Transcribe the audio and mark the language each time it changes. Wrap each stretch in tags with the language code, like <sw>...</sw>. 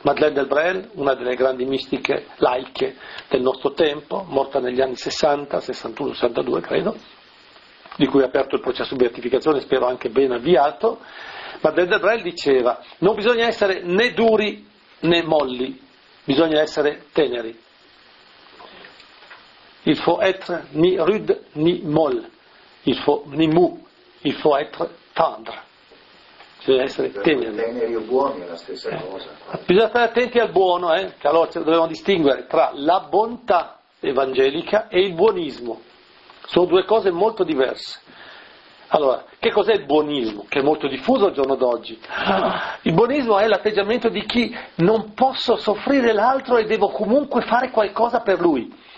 <it>Madeleine Delbrel, una delle grandi mistiche laiche del nostro tempo, morta negli anni 60, 61, 62, credo, di cui ha aperto il processo di beatificazione, spero anche ben avviato. Madeleine Delbrel diceva, non bisogna essere né duri né molli, bisogna essere teneri.</it> <fr>Il faut être ni rude ni molle, il faut ni mou, il faut être tendre.</fr> <it>Bisogna essere teneri. Teneri o buoni è la stessa cosa. Bisogna stare attenti al buono, che allora dobbiamo distinguere tra la bontà evangelica e il buonismo. Sono due cose molto diverse. Allora, che cos'è il buonismo? Che è molto diffuso al giorno d'oggi. Il buonismo è l'atteggiamento di chi non posso soffrire l'altro e devo comunque fare qualcosa per lui.</it>